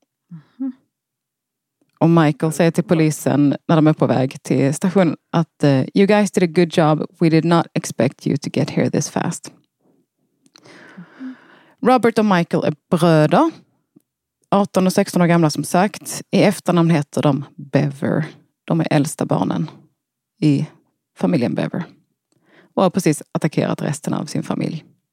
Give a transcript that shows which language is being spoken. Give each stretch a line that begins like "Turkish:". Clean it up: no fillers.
Swedish: Mm-hmm. Och Michael säger till polisen när de är på väg till stationen att
English: "You guys did a good job. We did not expect you to get here this fast." Mm-hmm.
Swedish: Robert och Michael är bröder, 18 och 16 år gamla som sagt. I efternamn heter de Bever. De är äldsta barnen i familjen Bever. Och har precis attackerat resten av sin familj.